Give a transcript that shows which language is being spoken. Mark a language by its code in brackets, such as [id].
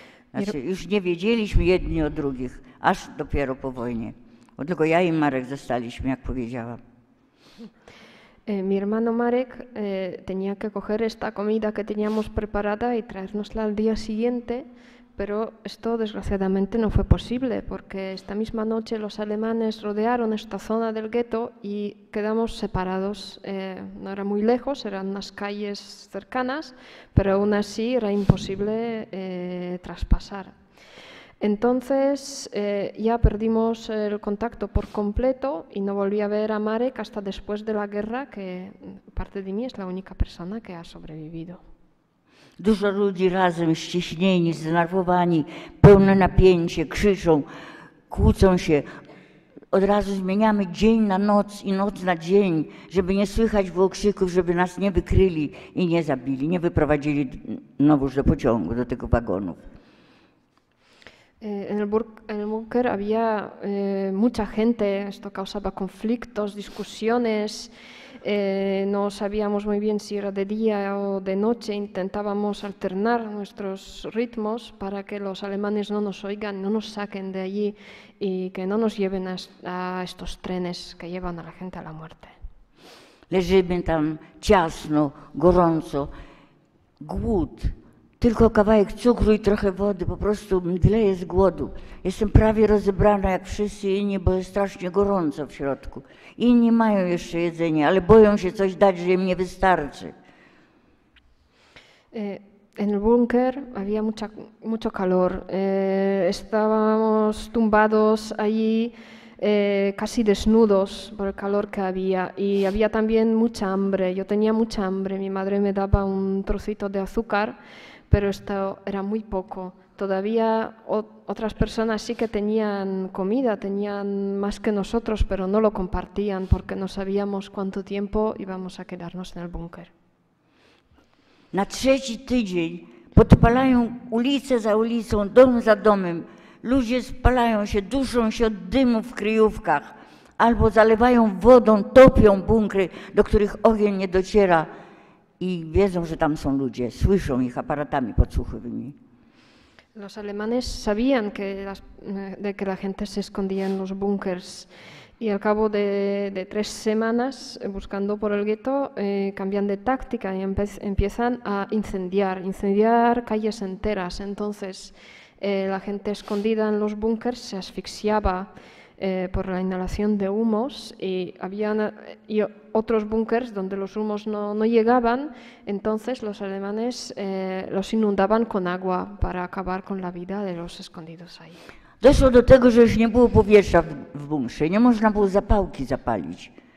[pl] Znaczy, już nie wiedzieliśmy jedni o drugich, aż dopiero po wojnie. Bo tylko ja i Marek zostaliśmy, jak powiedziałam. [es] Mi hermano Marek tenía que coger esta comida que teníamos preparada y traernosla al día siguiente. Pero esto desgraciadamente no fue posible porque esta misma noche los alemanes rodearon esta zona del gueto y quedamos separados. No era muy lejos, eran unas calles cercanas, pero aún así era imposible traspasar. Entonces ya perdimos el contacto por completo y no volví a ver a Marek hasta después de la guerra, que parte de mí es la única persona que ha sobrevivido. [pl] Dużo ludzi razem, ściśnieni, zdenerwowani, pełne napięcie, krzyczą, kłócą się. Od razu zmieniamy dzień na noc i noc na dzień, żeby nie słychać okrzyków, żeby nas nie wykryli i nie zabili, nie wyprowadzili znowuż do pociągu, do tego wagonu. [es] En el búnker había mucha gente, esto causaba conflictos, discusiones. No sabíamos muy bien si era de día o de noche, intentábamos alternar nuestros ritmos para que los alemanes no nos oigan, no nos saquen de allí y que no nos lleven a estos trenes que llevan a la gente a la muerte. [pl] Leżymy tam ciasno, gorąco, głód, tylko kawałek cukru i trochę wody, po prostu mdleje z głodu. Jestem prawie rozebrana jak wszyscy inni, bo jest strasznie gorąco w środku. Inni mają jeszcze jedzenie, ale boją się coś dać, że im nie wystarczy. [es] En el búnker había mucho calor. Estábamos tumbados allí casi desnudos por el calor que había y había también mucha hambre. Yo tenía mucha hambre. Mi madre me daba un trocito de azúcar, pero esto era muy poco. Todavía otras personas sí que tenían comida, tenían más que nosotros, pero no lo compartían porque no sabíamos cuánto tiempo íbamos a quedarnos en el búnker. [pl] Na trzeci tydzień podpalają ulicę za ulicą, dom za domem. Ludzie spalają się, duszą się od dymu w kryjówkach, albo zalewają wodą, topią bunkry, do których ogień nie dociera. [es] Y vieron que [pl] tam son ludzie, słyszą ich aparatami podsłuchowymi. [es] Los alemanes sabían que la gente se escondía en los búnkers y al cabo de tres semanas buscando por el gueto cambian de táctica y empiezan a incendiar calles enteras. Entonces la gente escondida en los búnkers se asfixiaba por la inhalación de humos y había otros búnkers donde los humos no llegaban, entonces los alemanes los inundaban con agua para acabar con la vida de los escondidos ahí. [pl] Doszło do tego, że już nie było powietrza w bunkrze, nie można było zapałki zapalić.